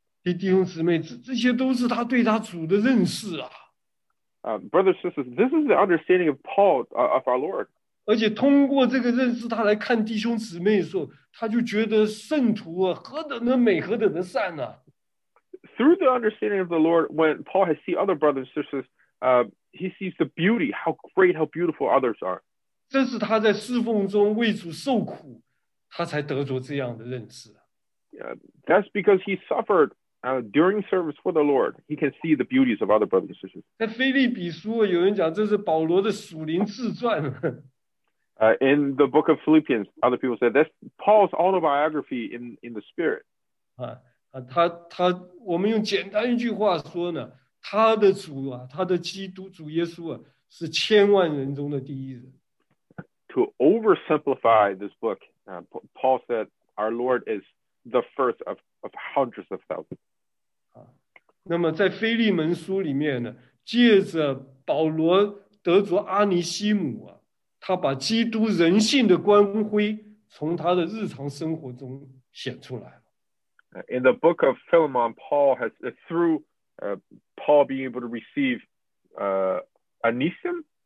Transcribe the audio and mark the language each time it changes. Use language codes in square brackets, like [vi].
[zh] 弟兄姊妹，这些都是他对他主的认识啊。 [en] Brothers, sisters, this is the understanding of Paul of our Lord. [zh] 而且通过这个认识，他来看弟兄姊妹的时候。他就觉得圣徒啊，何等的美，何等的善啊！ [en] Through the understanding of the Lord, when Paul has seen other brothers and sisters, he sees the beauty, how great, how beautiful others are. [zh] 这是他在侍奉中为主受苦，他才得着这样的认识。 [en] That's because he suffered during service for the Lord. He can see the beauties of other brothers and sisters. [zh] 在腓立比书，有人讲这是保罗的属灵自传。 [en] In the book of Philippians, other people say that's Paul's autobiography in the spirit. [zh] 他我们用简单一句话说呢，他的主啊，他的基督主耶稣啊，是千万人中的第一人。 [en] To oversimplify this book, Paul said our Lord is the first of hundreds of thousands. [zh] 那么在腓利门书里面呢，借着保罗得着阿尼西姆啊。他把基督人性的光辉从他的日常生活中显出来了。 [en] In the book of Philemon, Paul has through Paul being able to receive Onesimus,